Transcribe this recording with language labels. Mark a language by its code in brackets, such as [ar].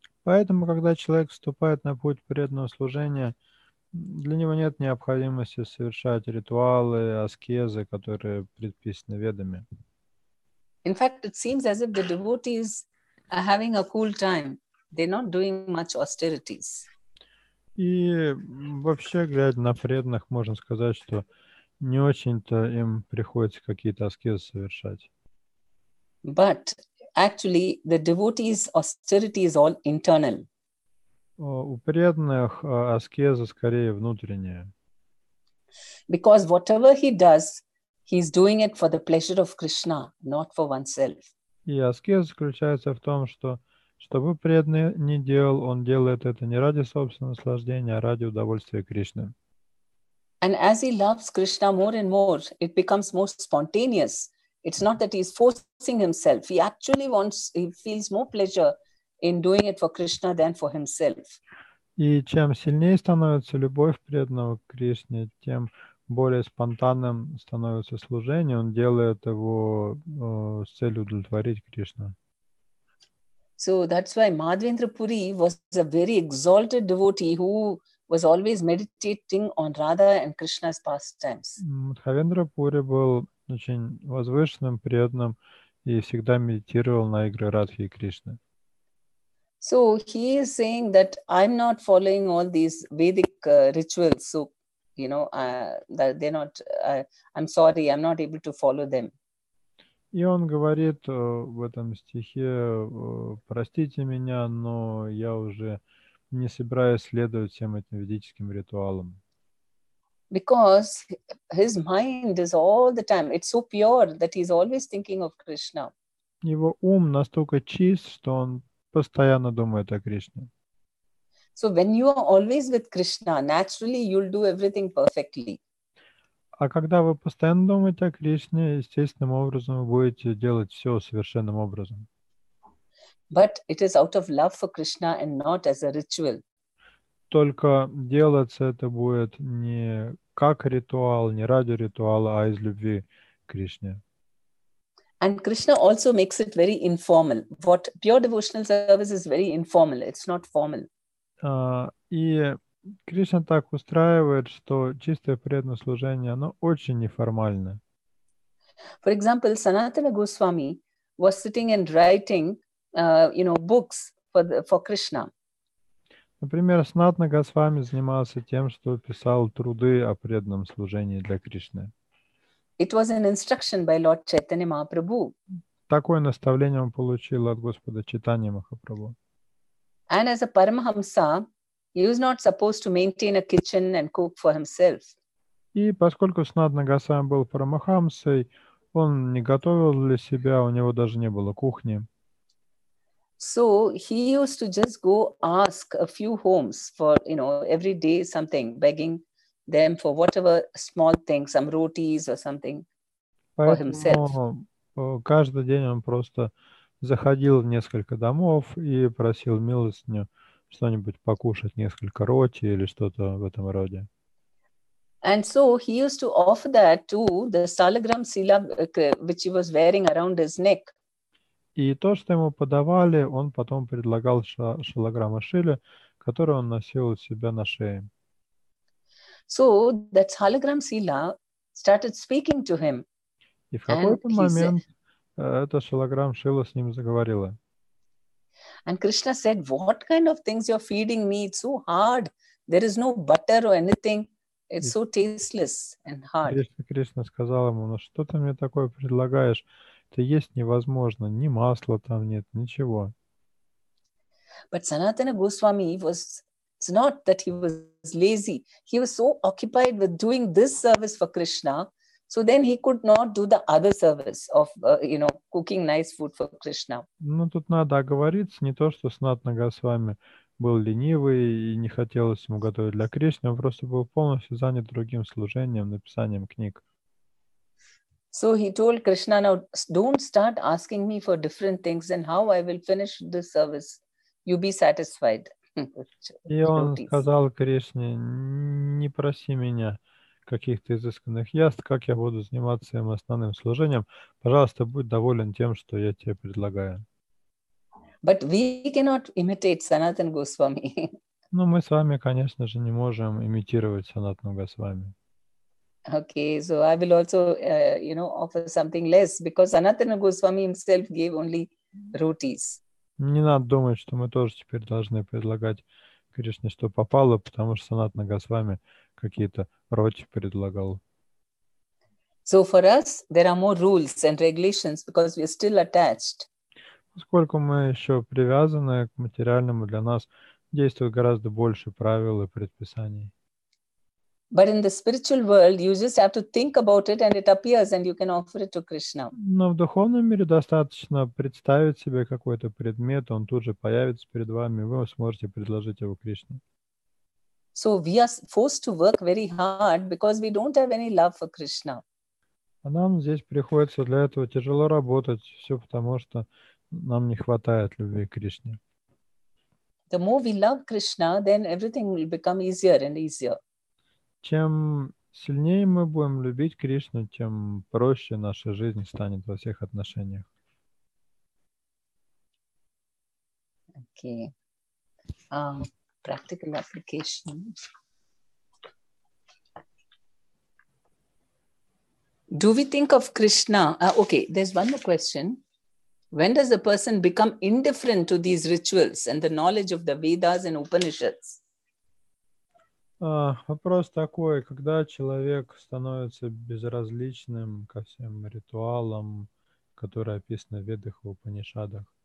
[ru] Поэтому, когда человек вступает на путь преданного служения, для него нет необходимости совершать ритуалы, аскезы, которые предписаны ведами. [en] In fact, it seems as if the devotees are having a cool time. They're not doing much austerities. [ru] И вообще, глядя на преданных, можно сказать, что не очень-то им приходится какие-то аскезы совершать. [en] But actually, the devotees' austerity is all internal. [ru] У преданных аскеза скорее внутренняя. [en] Because whatever he does, he's doing it for the pleasure of Krishna, not for oneself. [ru] И аскеза заключается в том, что что бы преданный ни делал, он делает это не ради собственного наслаждения, а ради удовольствия Кришны. [en] And as he loves Krishna more and more, it becomes more spontaneous. It's not that he's forcing himself. He actually wants, he feels more pleasure in doing it for Krishna than for himself. [ru] И чем сильнее становится любовь преданного к Кришне, тем более спонтанным становится служение. Он делает его с целью удовлетворить Кришну. [en] So that's why Madhvendra Puri was a very exalted devotee who was always meditating on Radha and Krishna's pastimes. [ru] Мадхавендра Пури был очень возвышенным преданным и всегда медитировал на игры Радхи и Кришны. [en] So he is saying that I'm not following all these Vedic rituals. So, you know, that they're not. I'm sorry, I'm not able to follow them. [ru] И он говорит в этом стихе: простите меня, но я уже не собираюсь следовать всем этим ведическим ритуалам. [en] Because his mind is all the time. It's so pure that he's always thinking of Krishna. [ru] Его ум настолько чист, что он постоянно думает о Кришне. [en] So when you are always with Krishna, naturally you'll do everything perfectly. [ru] А когда вы постоянно думаете о Кришне, естественным образом вы будете делать все совершенным образом. [en] But it is out of love for Krishna and not as a ritual. [ru] только делаться это будет не как ритуал, не ради ритуала, а из любви к Кришне. [en] And Krishna also makes it very informal. What pure devotional service is very informal. It's not formal. [ru] И Кришна так устраивает, что чистое преданное служение, оно очень неформальное. [en] For example, Sanatana Goswami was sitting and writing, you know, books for Krishna. [ru] Например, Санатана Госвами занимался тем, что писал труды о преданном служении для Кришны. [en] It was an instruction by Lord Chaitanya Mahaprabhu. [ru] Такое наставление он получил от Господа Чайтанья Махапрабху. [en] And as a Paramahamsa, he was not supposed to maintain a kitchen and cook for himself. [ru] И поскольку Санатана Госвами был Парамахамсой, он не готовил для себя, у него даже не было кухни. [en] So he used to just go ask a few homes for, you know, every day something, begging them for whatever small thing, some rotis or something for [ru] Поэтому [en] himself. [ru] Каждый день он просто заходил в несколько домов и просил милостыню что-нибудь покушать, несколько роти или что-то в этом роде. [en] And so he used to offer that to the Saligram Sila, which he was wearing around his neck. [ru] И то, что ему подавали, он потом предлагал шалограмма шиле, которую он носил у себя на шее. [en] So that hologram Sila started speaking to him. [ru] И в какой-то момент эта шалограмма шила с ним заговорила. [en] And Krishna said, "What kind of things you're feeding me? It's so hard. There is no butter or anything. It's so tasteless and hard." [ru] Кришна сказал ему: "Ну что ты мне такое предлагаешь? Это есть невозможно, ни масла там нет, ничего." [en] But Sanatana Goswami was—it's not that he was lazy. He was so occupied with doing this service for Krishna, so then he could not do the other service of, you know, cooking nice food for Krishna. [ru] Ну тут надо оговориться, не то что Санатана Госвами был ленивый и не хотелось ему готовить для Кришны, он просто был полностью занят другим служением, написанием книг. [en] So he told Krishna, "Now don't start asking me for different things and how I will finish this service. You be satisfied." [ru] И он сказал Кришне: "Не проси меня каких-то изысканных яств, как я буду заниматься своим основным служением. Пожалуйста, будь доволен тем, что я тебе предлагаю." [en] But we cannot imitate Sanatana Goswami. [ru] Но мы с вами, конечно же, не можем имитировать Санатану Госвами. [en] Okay, so I will also, you know, offer something less because Sanatana Goswami himself gave only rotis. [ru] Не надо думать, что мы тоже теперь должны предлагать Кришне, что попало, потому что Санатана Госвами какие-то роти предлагал. [en] So for us, there are more rules and regulations because we are still attached. [ru] Поскольку мы еще привязаны к материальному, для нас действуют гораздо больше правил и предписаний. [en] But in the spiritual world, you just have to think about it and it appears and you can offer it to Krishna. [ru] Но в духовном мире достаточно представить себе какой-то предмет, он тут же появится перед вами, вы сможете предложить его Кришне. [en] So we are forced to work very hard because we don't have any love for Krishna. [ru] А нам здесь приходится для этого тяжело работать, все потому, что нам не хватает любви к Кришне. [en] The more we love Krishna, then everything will become easier and easier. [ru] Чем сильнее мы будем любить Кришну, тем проще наша жизнь станет во всех отношениях. [en] Okay. Practical application. Do we think of Krishna? Okay, there's one more question. When does a person become indifferent to these rituals and the knowledge of the Vedas and Upanishads? [ru] Вопрос такой, когда человек становится безразличным ко всем ритуалам, которые описаны в Ведах и Упанишадах?